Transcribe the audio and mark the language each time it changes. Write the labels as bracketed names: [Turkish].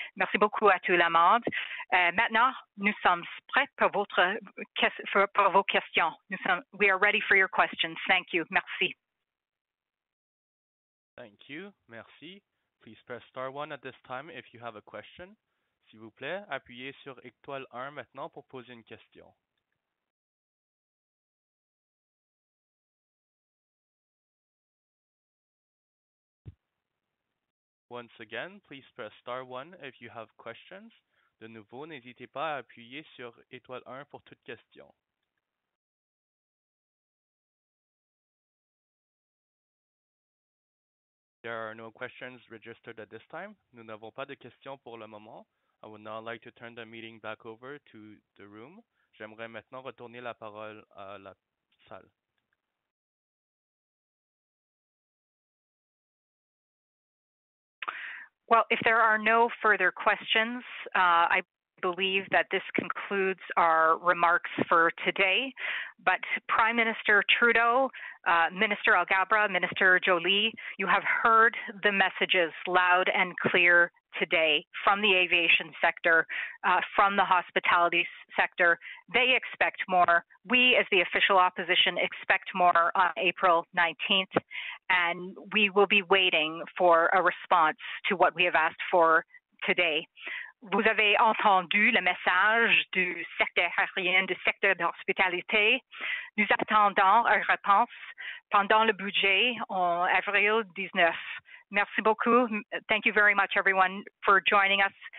[French] Merci beaucoup à tout le monde. Maintenant, nous sommes prêts pour, vos questions. [English] We are ready for your questions. Thank you. [French] Merci. [English] Thank you. [French] Merci. [English] Please press star 1 at this time if you have a question. [French] S'il vous plaît, appuyez sur étoile 1 maintenant pour poser une question. [English] Once again, please press star 1 if you have questions. [French] De nouveau, n'hésitez pas à appuyer sur étoile 1 pour toute question. [English] There are no questions registered at this time. [French] Nous n'avons pas de questions pour le moment. [English] I would now like to turn the meeting back over to the room. [French] J'aimerais maintenant retourner la parole à la salle. [English] Well, if there are no further questions, I believe that this concludes our remarks for today. But Prime Minister Trudeau, Minister Algabra, Minister Jolie, you have heard the messages loud and clear today from the aviation sector, from the hospitality sector. They expect more. We, as the official opposition, expect more on April 19th, and we will be waiting for a response to what we have asked for today. [French] Vous avez entendu le message du secteur aérien, du secteur d'hospitalité. Nous attendons une réponse pendant le budget en avril 19. Merci beaucoup. [English] Thank you very much, everyone, for joining us.